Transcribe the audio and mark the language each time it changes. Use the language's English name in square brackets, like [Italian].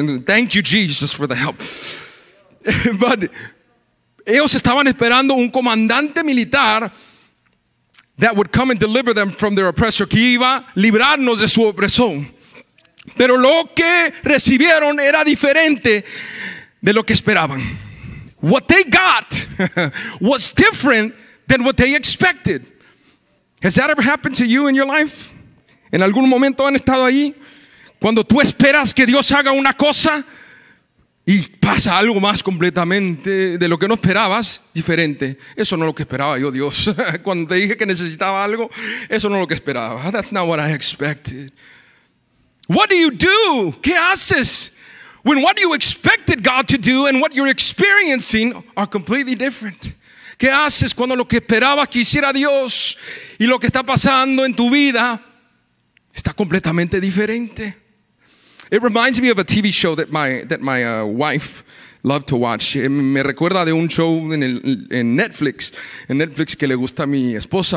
[English] Thank you, Jesus, for the help. But [Spanish] ellos estaban esperando un comandante militar [English] that would come and deliver them from their oppressor, [Spanish] que iba a librarnos de su opresión. Pero lo que recibieron era diferente de lo que esperaban. [English] What they got was different than what they expected. Has that ever happened to you in your life? [Spanish] ¿En algún momento han estado ahí? Cuando tú esperas que Dios haga una cosa y pasa algo más completamente de lo que no esperabas, diferente. Eso no es lo que esperaba yo, Dios. Cuando te dije que necesitaba algo, eso no es lo que esperaba. [English] That's not what I expected. What do you do? [Spanish] ¿Qué haces? [English] When what you expected God to do and what you're experiencing are completely different. [Spanish] ¿Qué haces cuando lo que esperabas que hiciera Dios y lo que está pasando en tu vida está completamente diferente? [English] It reminds me of a TV show that my wife loved to watch. [Spanish] Me recuerda de un show en Netflix que le gusta a mi esposa.